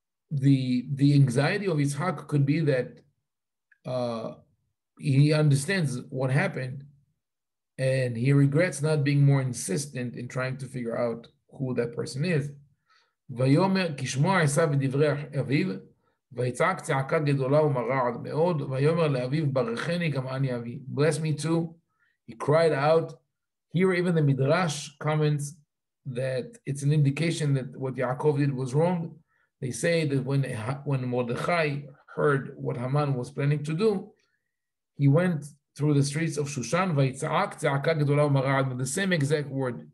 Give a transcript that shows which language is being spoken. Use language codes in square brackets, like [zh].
[en] The anxiety of Yitzhak could be that he understands what happened, and he regrets not being more insistent in trying to figure out who that person is. [he] ויאמר כי שמוע עשיו בדברי אביו, ויצעק צעקה גדולה ומרעד מאוד, ויאמר לאביו ברכני גם אני אבי. [en] Bless me too. He cried out. Here even the Midrash comments that it's an indication that what Yaakov did was wrong. They say that when Mordechai heard what Haman was planning to do, he went through the streets of Shushan, [he] ויצעק צעקה גדולה ומרעד, [en] with the same exact word.